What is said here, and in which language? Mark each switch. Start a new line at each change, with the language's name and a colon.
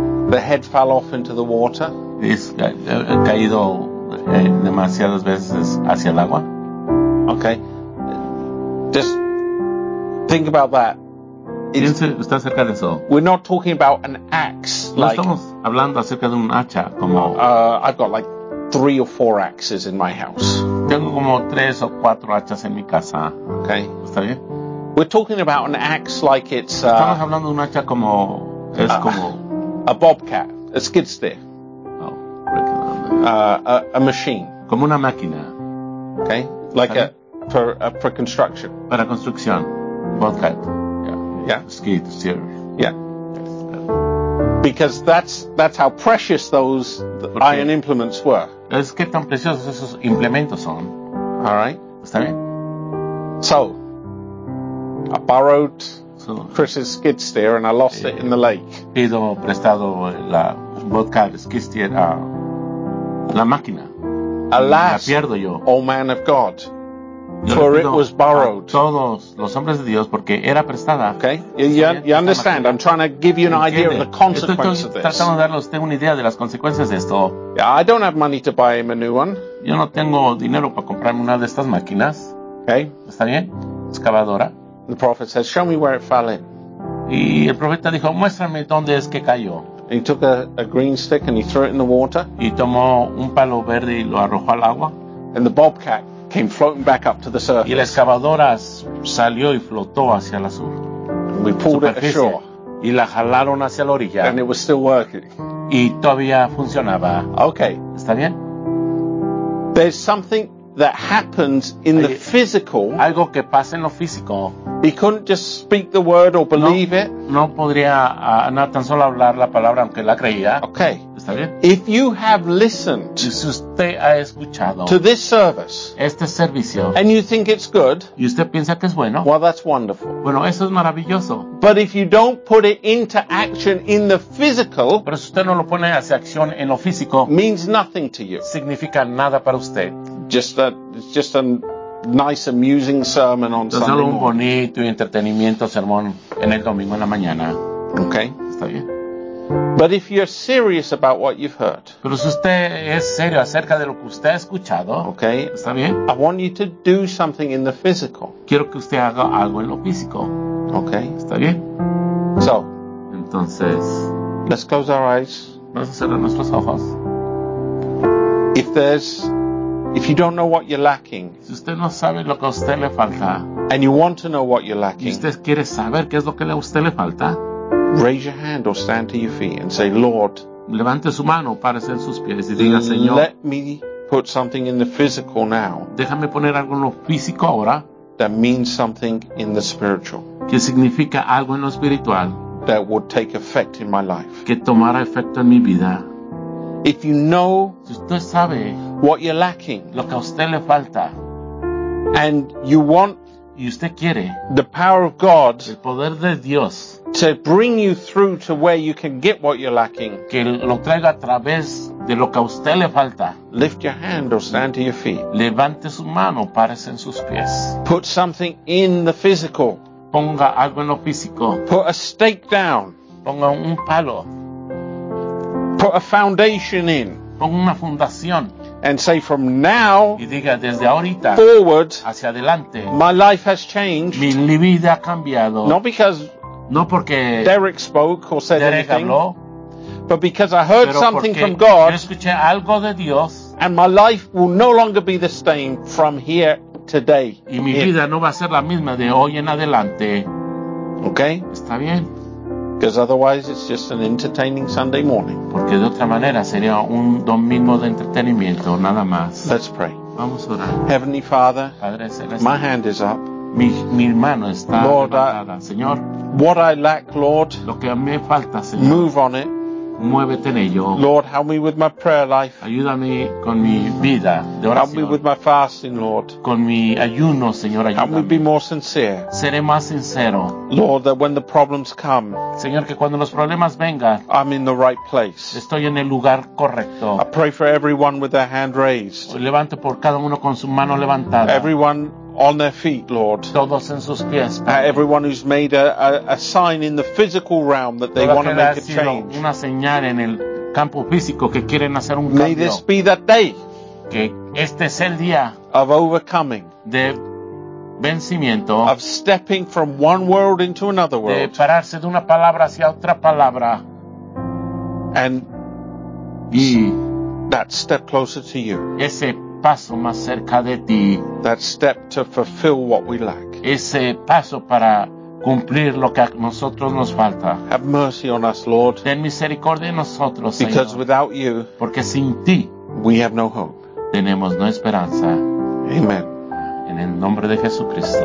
English: The head fell off into the water.
Spanish: es, he caído demasiadas veces hacia el agua.
English: Okay. Just think about that.
Spanish: Piense, está cerca de eso.
English: We're not talking about an axe.
Spanish: No,
English: like,
Spanish: estamos hablando acerca de un hacha como.
English: I've got like 3 or 4 axes in my house.
Spanish: Tengo como 3 o 4 hachas en mi casa.
English: Okay.
Spanish: Está bien.
English: We're talking about an axe like it's.
Spanish: Estamos hablando de un hacha como es como.
English: A bobcat, a skid steer. A machine.
Spanish: Como una máquina.
English: Okay. Like for construction.
Spanish: Para construcción. Bobcat.
English: Yeah. Skid steer. Yeah. Because that's how precious those iron implements were.
Spanish: Es que tan preciosos esos implementos son.
English: All right.
Spanish: Está bien.
English: So, I borrowed Chris's skid steer and I lost it in the lake.
Spanish: Pido prestado la Bobcat skid steer a la máquina.
English: Alas,
Spanish: la pierdo yo.
English: Oh man of God, for it was borrowed.
Spanish: Todos los hombres de Dios, porque era prestada.
English: Okay, you understand? I'm trying to give you an idea of the consequences of this.
Spanish: Tratando de darles una idea de las consecuencias de esto.
English: I don't have money to buy him a new one.
Spanish: Yo no tengo dinero para comprarme una de estas máquinas.
English: Okay,
Spanish: está bien. Excavadora.
English: The prophet says, "Show me where it fell in."
Spanish: Y el profeta dijo, muéstrame dónde es que cayó.
English: He took a green stick and he threw it in the water.
Spanish: Y tomó un palo verde y lo arrojó al agua.
English: And the bobcat came floating back up to the surface.
Spanish: Y la excavadora salió y flotó hacia la sur.
English: And we pulled it ashore.
Spanish: Y la jalaron hacia la orilla.
English: And it was still working.
Spanish: Y todavía funcionaba.
English: Okay.
Spanish: ¿Está bien?
English: There's something that happens in the physical.
Spanish: Algo que pasa en lo físico.
English: He couldn't just speak the word or believe it.
Spanish: No podría no tan solo hablar la palabra aunque la creía.
English: Okay.
Spanish: ¿Está bien?
English: If you have listened to this service,
Spanish: este servicio,
English: and you think it's good,
Spanish: y usted piensa que es bueno,
English: well, that's wonderful.
Spanish: Bueno, eso es maravilloso.
English: But if you don't put it into action in the physical,
Spanish: pero si usted no lo pone hacia acción en lo físico,
English: means nothing to you.
Spanish: Significa nada para usted.
English: Just a nice amusing sermon on Sunday.
Spanish: Un bonito y entretenimiento sermón en el domingo en la mañana.
English: Okay.
Spanish: Está bien.
English: But if you're serious about what you've heard.
Spanish: Pero si usted es serio acerca de lo que usted ha escuchado.
English: Okay.
Spanish: Está bien.
English: I want you to do something in the physical.
Spanish: Quiero que usted haga algo en lo físico.
English: Okay.
Spanish: Está bien.
English: So.
Spanish: Entonces.
English: Let's close our eyes.
Spanish: Vamos a cerrar nuestros ojos.
English: If you don't know what you're lacking,
Spanish: si usted no sabe lo que a usted le falta,
English: and you want to know what you're lacking,
Spanish: y usted quiere saber qué es lo que a usted le falta,
English: raise your hand or stand to your feet and say, Lord,
Spanish: levante su mano, párese en sus pies y diga, Señor,
English: let me put something in the physical now,
Spanish: déjame poner algo en lo físico ahora,
English: that means something in the spiritual,
Spanish: que significa algo en lo espiritual,
English: that would take effect in my life,
Spanish: que tomara efecto en mi vida.
English: If you know,
Spanish: si usted sabe
English: what you're lacking,
Spanish: lo que a usted le falta,
English: and you want,
Spanish: y usted quiere,
English: the power of God,
Spanish: el poder de Dios,
English: to bring you through to where you can get what you're lacking,
Spanish: que lo traiga a través de lo que a usted le falta,
English: lift your hand or stand to your feet,
Spanish: levante su mano, párese en sus pies,
English: put something in the physical,
Spanish: ponga algo en lo físico,
English: put a stake down,
Spanish: ponga un palo,
English: put a foundation in,
Spanish: ponga una fundación.
English: And say from now,
Spanish: y diga, desde ahorita,
English: forward,
Spanish: hacia adelante,
English: my life has changed.
Spanish: Mi vida ha cambiado.
English: Not because,
Spanish: no porque
English: Derek spoke or said
Spanish: Derek
English: anything,
Spanish: habló,
English: but because I heard something from God.
Spanish: Yo escuché algo de Dios,
English: and my life will no longer be the same from here today.
Spanish: Y mi vida no va a ser la misma de hoy en adelante.
English: Okay.
Spanish: Está bien.
English: Because otherwise it's just an entertaining Sunday morning.
Spanish: Porque de otra manera sería un domingo de entretenimiento, nada más.
English: Let's pray.
Spanish: Vamos a orar.
English: Heavenly Father,
Spanish: Padre Celeste,
English: my hand is up.
Spanish: Mi mano está
English: Lord,
Spanish: levantada. Señor,
English: what I lack, Lord,
Spanish: lo que me falta, Señor,
English: move on it.
Spanish: Muévete en ello.
English: Lord, help me with my prayer life.
Spanish: Ayúdame con mi vida de oración.
English: Help me with my fasting, Lord.
Spanish: Con mi ayuno, Señor, ayúdame.
English: Help me be more sincere.
Spanish: Seré más sincero.
English: Lord, that when the problems come,
Spanish: Señor, que cuando los problemas vengan,
English: I'm in the right place.
Spanish: Estoy en el lugar correcto.
English: I pray for everyone with their hand raised.
Spanish: Levanto por cada uno con su mano levantada.
English: Everyone on their feet, Lord.
Spanish: Todos en sus pies, Padre.
English: Everyone who's made a sign in the physical realm that they want to make a change.
Spanish: Una señal en el campo físico que quieren hacer un cambio.
English: May this be that day.
Spanish: Que este es el día
English: of overcoming.
Spanish: De vencimiento.
English: Of stepping from one world into another world.
Spanish: De pararse de una palabra hacia otra palabra.
English: And
Spanish: y
English: that step closer to you.
Spanish: Ese paso más cerca de ti.
English: That step to fulfill what we lack.
Spanish: Ese paso para cumplir lo que a nosotros nos falta.
English: Have mercy on us, Lord.
Spanish: Ten misericordia en nosotros, Señor.
English: Because without you,
Spanish: porque sin ti,
English: we have no hope.
Spanish: Tenemos no esperanza.
English: Amen.
Spanish: En el nombre de Jesucristo.